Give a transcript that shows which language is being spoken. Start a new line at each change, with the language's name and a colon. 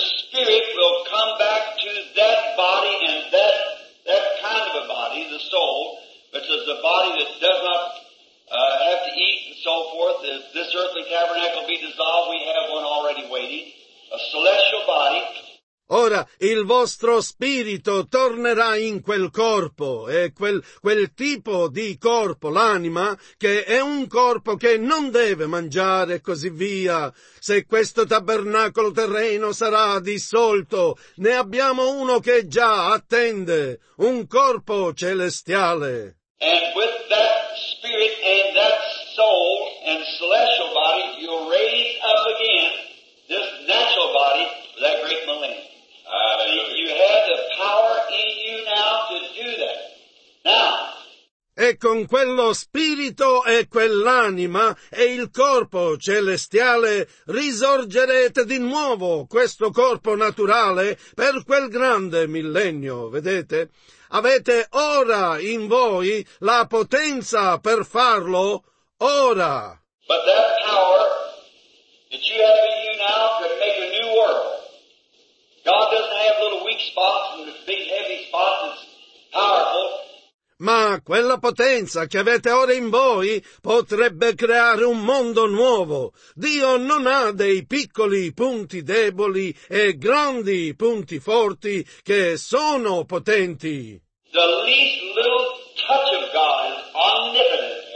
English: Spirit will come back to that body and that kind of a body, the soul, which is the body that does not have to eat and so forth. This earthly tabernacle will be dissolved. We have one already waiting, a celestial body.
Italian: Ora, il vostro spirito tornerà in quel corpo, e quel tipo di corpo, l'anima, che è un corpo che non deve mangiare e così via. Se questo tabernacolo terreno sarà dissolto, ne abbiamo uno che già attende, un corpo celestiale.
English: And with that spirit and that soul and celestial body, you'll raise up again this natural body for that great millennium. You have the power in you now to do that. Now.
Italian: E con quello spirito e quell'anima e il corpo celestiale risorgerete di nuovo questo corpo naturale per quel grande millennio, vedete? Avete ora in voi la potenza per farlo, ora.
English: But that power that you have in you now could make a new world. God doesn't have little weak spots and big heavy spots that's powerful.
Italian: Ma quella potenza che avete ora in voi potrebbe creare un mondo nuovo. Dio non ha dei piccoli punti deboli e grandi punti forti che sono potenti.
English: The least little touch of God is omnipotent.